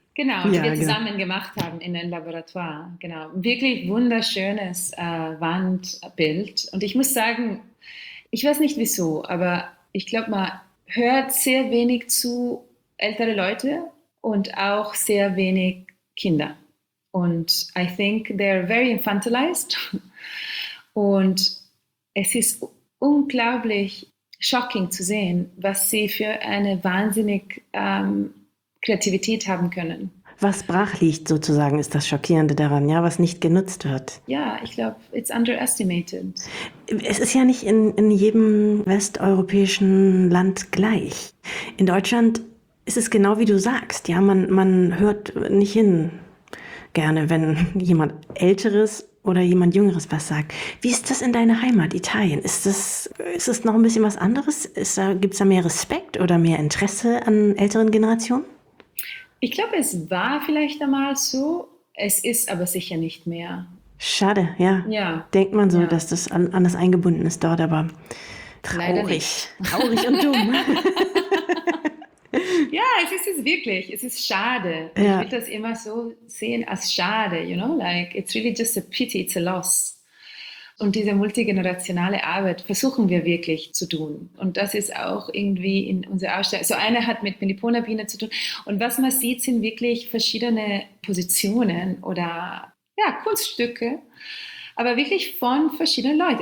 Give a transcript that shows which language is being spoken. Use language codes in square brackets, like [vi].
[de] Genau, die wir zusammen gemacht haben in einem Laboratoire. Genau, wirklich wunderschönes Wandbild. Und ich muss sagen, ich weiß nicht wieso, aber ich glaube, man hört sehr wenig zu ältere Leute und auch sehr wenig Kinder. Und [en] I think they're very infantilized. [de] Und es ist unglaublich shocking zu sehen, was sie für eine wahnsinnig Kreativität haben können. Was brach liegt sozusagen, ist das Schockierende daran, ja, was nicht genutzt wird. Ja, ich glaube, [en] it's underestimated. [de] Es ist ja nicht in jedem westeuropäischen Land gleich. In Deutschland ist es genau wie du sagst, ja, man hört nicht hin gerne, wenn jemand Älteres oder jemand Jüngeres was sagt. Wie ist das in deiner Heimat, Italien? Ist es noch ein bisschen was anderes? Gibt es da mehr Respekt oder mehr Interesse an älteren Generationen? Ich glaube, es war vielleicht einmal so, es ist aber sicher nicht mehr. Schade, ja. Ja. Denkt man so, ja, dass das anders eingebunden ist dort, aber traurig. Traurig und dumm. Ja, es ist es wirklich. Es ist schade. Ja. Ich würde das immer so sehen als schade, [en] you know? Like, it's really just a pity, it's a loss. [de] Und diese multigenerationale Arbeit versuchen wir wirklich zu tun. Und das ist auch irgendwie in unserer Ausstellung. So eine hat mit Melipona-Biene zu tun. Und was man sieht, sind wirklich verschiedene Positionen oder ja, Kunststücke, aber wirklich von verschiedenen Leuten.